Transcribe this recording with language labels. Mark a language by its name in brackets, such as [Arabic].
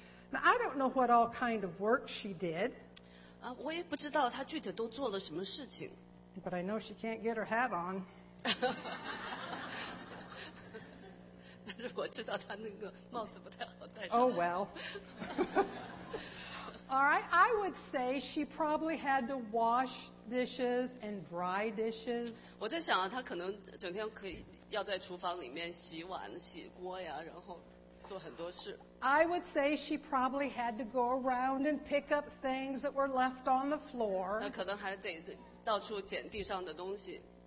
[English] Now, I don't know what all kind of work she did. [Chinese] 我也不知道她具体都做了什么事情。 [English] But I know she can't get her hat on. 但是我知道他那个帽子不太好戴上。 Oh well. All right, I would say she probably had to wash dishes and dry dishes. [Chinese] 我在想啊，她可能整天可以要在厨房里面洗碗、洗锅呀，然后做很多事。 [English] I would say she probably had to go around and pick up things that were left on the floor. [Chinese] 她可能还得到处捡地上的东西。